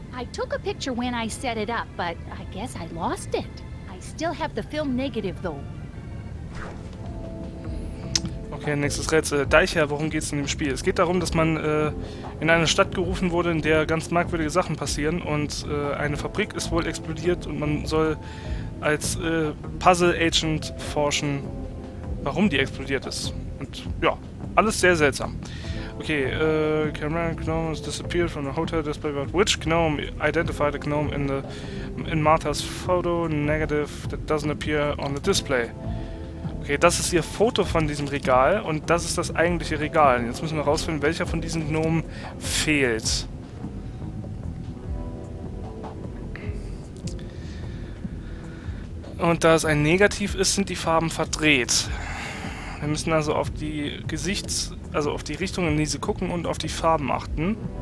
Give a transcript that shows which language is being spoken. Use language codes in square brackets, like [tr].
[en] I took a picture when I set it up, but I guess I lost it. I still have the film negative, though. [de] Okay, nächstes Rätsel. Deicher, worum geht's in dem Spiel? Es geht darum, dass man in eine Stadt gerufen wurde, in der ganz merkwürdige Sachen passieren und eine Fabrik ist wohl explodiert und man soll als Puzzle-Agent forschen, warum die explodiert ist. Und ja, alles sehr seltsam. [en] Okay, Cameron Gnome has disappeared from the hotel display, but which Gnome identified a Gnome in Martha's photo? Negative, that doesn't appear on the display. [de] Okay, das ist ihr Foto von diesem Regal und das ist das eigentliche Regal. Jetzt müssen wir rausfinden, welcher von diesen Gnomen fehlt. Und da es ein Negativ ist, sind die Farben verdreht. Wir müssen also auf die Gesichts-, also auf die Richtung, in die sie gucken und auf die Farben achten.